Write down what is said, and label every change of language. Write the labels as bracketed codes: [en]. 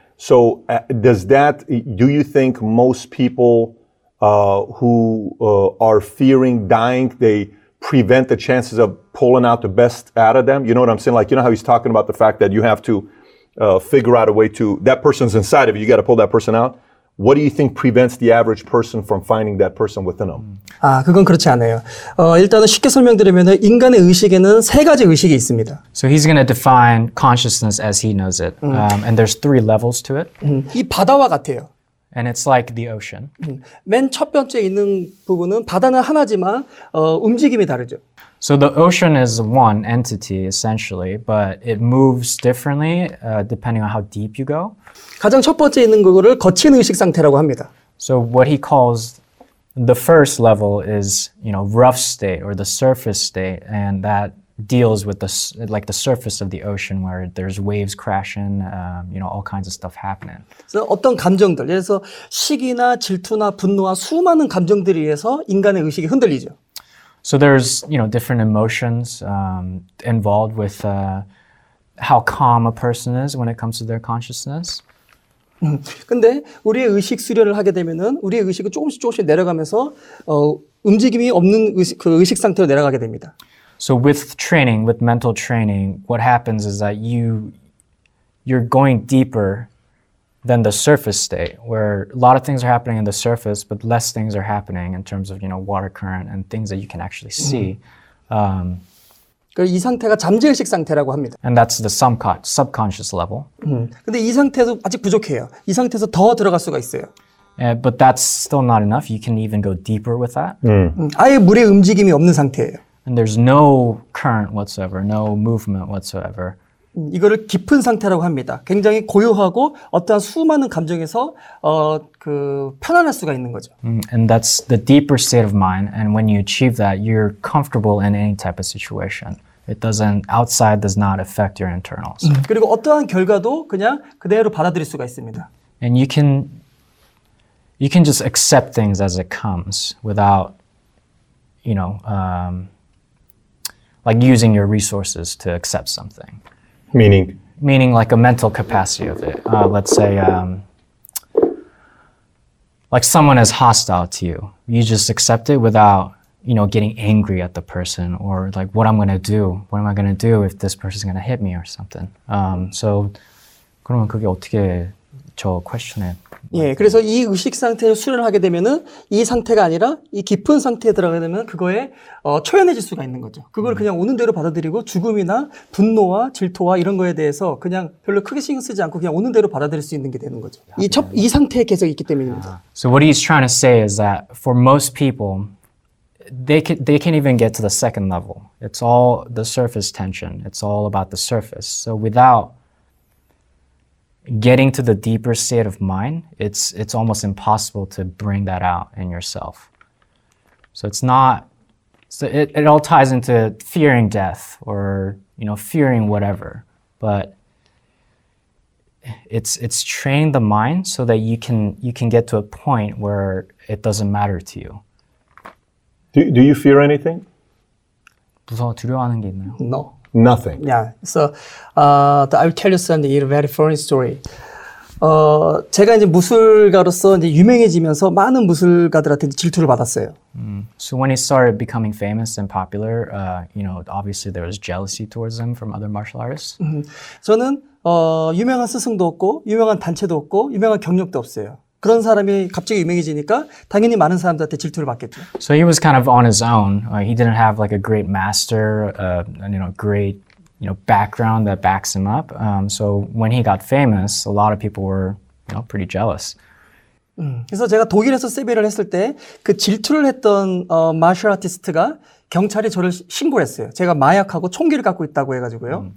[en] So do you think most people who are fearing dying, they prevent the chances of pulling out the best out of them? You know what I'm saying? Like, you know how he's talking about the fact that you have to figure out a way to, that person's inside of you, you got to pull that person out? What do you think prevents the average person from finding that person within them? [ko] 아, 그건 그렇지 않아요. 일단은 쉽게 설명드리면 인간의 의식에는 세 가지 의식이 있습니다. [en] So he's going to define consciousness as he knows it. And there's three levels to it. [ko] 이 바다와 같아요. [en] And it's like the ocean. [ko] 맨 첫 번째 있는 부분은 바다는 하나지만 움직임이 다르죠. [en] So the ocean is one entity essentially, but it moves differently depending on how deep you go. [ko] 가장 첫 번째 있는 거를 거친 의식 상태라고 합니다. [en] So what he calls the first level is, you know, rough state or the surface state, and that deals with the surface of the ocean where there's waves crashing, you know, all kinds of stuff happening. So [ko] 어떤 감정들, 그래서 시기나 질투나 분노와 수많은 감정들에 의해서 인간의 의식이 흔들리죠. [en] So there's, you know, different emotions involved with how calm a person is when it comes to their consciousness. [ko] 근데 우리의 의식 수련을 하게 되면은 우리의 의식은 조금씩 조금씩 내려가면서 움직임이 없는 의식 상태로 내려가게 됩니다. [en] So with training, with mental training, what happens is that you're going deeper than the surface state, where a lot of things are happening in the surface, but less things are happening in terms of, you know, water current and things that you can actually see. [ko] 이 상태가 잠재의식 상태라고 합니다. [en] And that's the subconscious level. [ko] 근데 이 상태도 아직 부족해요. 이 상태에서 더 들어갈 수가 있어요. [en] Yeah, but that's still not enough. You can even go deeper with that. [ko] 아예 물의 움직임이 없는 상태예요. [en] And there's no current whatsoever, no movement whatsoever. [ko] 이거를 깊은 상태라고 합니다. 굉장히 고요하고 어떠한 수많은 감정에서 편안할 수가 있는 거죠. [en] And that's the deeper state of mind. And when you achieve that, you're comfortable in any type of situation. It doesn't, outside does not affect your internals. 그리고 어떠한 결과도 그냥 그대로 받아들일 수가 있습니다. And you can just accept things as it comes without, you know, like using your resources to accept something. Meaning like a mental capacity of it. Let's say, like someone is hostile to you. You just accept it without, you know, getting angry at the person or like, what I'm going to do? What am I going to do if this person is going to hit me or something? So, [ko] 그러면 그게 어떻게 저 question에? 예, 그래서 이 의식 상태를 수련하게 되면은 이 상태가 아니라 이 깊은 상태에 들어가게 되면 그거에 초연해질 수가 있는 거죠. 그걸 그냥 오는 대로 받아들이고 죽음이나 분노와 질투와 이런 거에 대해서 그냥 별로 크게 신경 쓰지 않고 그냥 오는 대로 받아들일 수 있는 게 되는 거죠. 이 상태에 계속 있기 때문입니다. [en] So what he's trying to say is that for most people, they can't even get to the second level. It's all the surface tension. It's all about the surface. So without getting to the deeper state of mind, it's almost impossible to bring that out in yourself. So it's not, so it all ties into fearing death or, you know, fearing whatever, but it's training the mind so that you can get to a point where it doesn't matter to you. Do you fear anything? [ko] 무서워, 두려워하는 게 있나요? [en] No. Nothing. Yeah. So, I will tell you something, a very funny story. [ko] 제가 이제 무술가로서 이제 유명해지면서 많은 무술가들한테 질투를 받았어요. [en] So when he started becoming famous and popular, you know, obviously there was jealousy towards him from other martial artists. [ko] 저는 유명한 스승도 없고, 유명한 단체도 없고, 유명한 경력도 없어요. 그런 사람이 갑자기 유명해지니까 당연히 많은 사람들한테 질투를 받겠죠. [en] So he was kind of on his own. He didn't have like a great master, you know, great, you know, background that backs him up. So when he got famous, a lot of people were, you know, pretty jealous. [ko] 그래서 제가 독일에서 세미를 했을 때 그 질투를 했던 마셜 아티스트가 경찰이 저를 신고를 했어요. 제가 마약하고 총기를 갖고 있다고 해가지고요.